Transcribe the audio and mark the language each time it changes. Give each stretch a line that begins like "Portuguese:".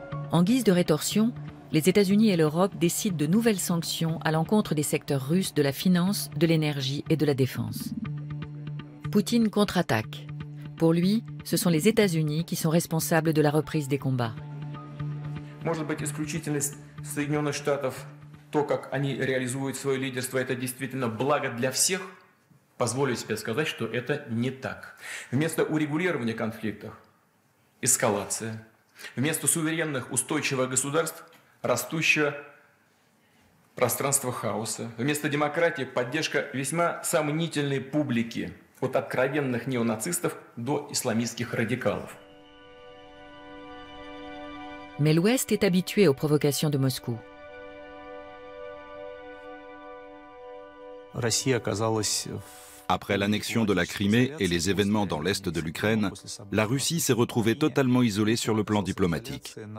French: En guise de rétorsion, les États-Unis et l'Europe décident de nouvelles sanctions à l'encontre des secteurs russes de la finance, de l'énergie et de la défense. Poutine contre-attaque. Pour lui, ce sont les États-Unis qui sont responsables de la reprise des combats.
Russian: Может быть, исключительность Соединенных Штатов, то, как они реализуют свое лидерство, это действительно благо для всех. Позволю себе сказать, что это не так. Вместо урегулирования конфликтов – эскалация. Вместо суверенных, устойчивых государств – растущее пространство хаоса. Вместо демократии – поддержка весьма сомнительной публики, от откровенных неонацистов до исламистских радикалов.
French: Mais l'Ouest est habitué aux provocations de Moscou.
Russian: Россия оказалась в...
French: Après l'annexion de la Crimée et les événements dans l'est de l'Ukraine, la Russie s'est retrouvée totalement isolée sur le plan diplomatique.